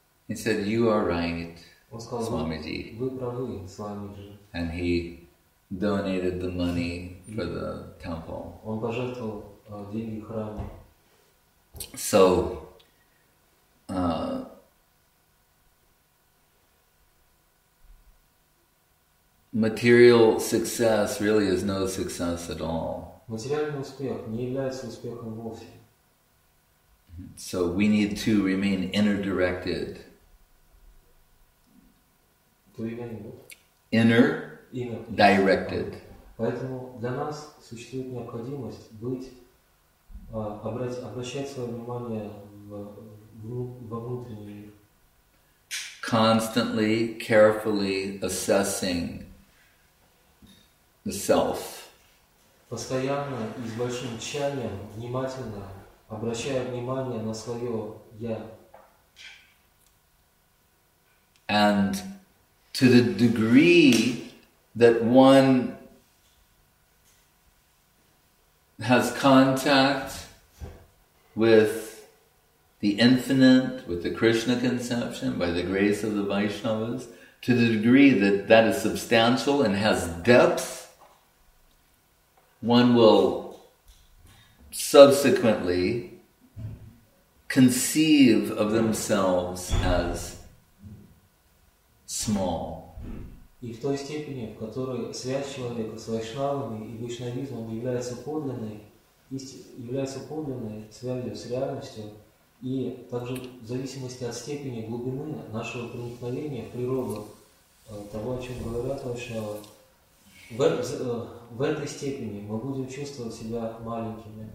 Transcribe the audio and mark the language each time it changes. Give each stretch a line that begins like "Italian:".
English: He said, you are right,
Russian: Он сказал,
English: Swamiji.
Russian: Вы правы, Свамиджи.
English: And he donated the money for the temple.
Russian: Он пожертвовал деньги храму.
English: So, material success really is no success at all.
Russian: Материальный успех не является успехом вовсе.
English: So we need to remain inner-directed. Inner-directed.
Russian: Поэтому для нас существует необходимость быть обращать свое внимание во внутренний мир.
English: Constantly, carefully assessing the self.
Russian: Постоянно и с большим тщанием, внимательно обращая внимание на свое «я».
English: And to the degree that one has contact with the infinite, with the Krishna conception, by the grace of the Vaishnavas, to the degree that that is substantial and has depth, one will subsequently conceive of themselves as small.
Russian: И в той степени, в которой связь человека с вайшнавами и вайшнавизмом является подлинной связью с реальностью и также в зависимости от степени глубины нашего проникновения в природу того, о чем говорят вайшнавы, в этой степени мы будем чувствовать себя маленькими.